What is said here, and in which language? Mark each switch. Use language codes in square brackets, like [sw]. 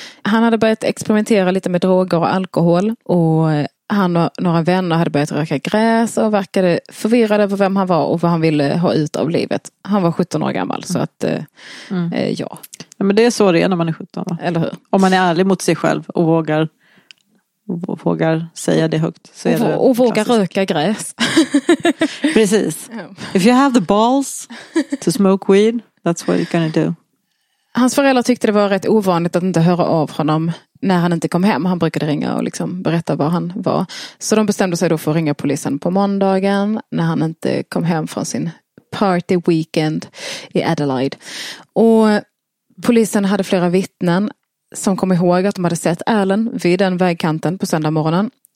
[sv] Han hade börjat experimentera lite med droger och alkohol. Och han och några vänner hade börjat röka gräs och verkade förvirrad över vem han var och vad han ville ha ut av livet. Han var 17 år gammal, så att ja. Men det är så det är när man är 17, va? Eller hur? Om man är ärlig mot sig själv och vågar säga det högt. Så är och vågar röka gräs. Precis. [en] If you have the balls to smoke weed, that's what you're gonna do. [sv] Hans föräldrar tyckte det var rätt ovanligt att inte höra av honom när han inte kom hem. Han brukade ringa och liksom berätta var han var. Så de bestämde sig då för att ringa polisen på måndagen när han inte kom hem från sin [en] party weekend [sv] i Adelaide. Och polisen hade flera vittnen som kom ihåg att de hade sett Alan vid den vägkanten på söndag morgonen.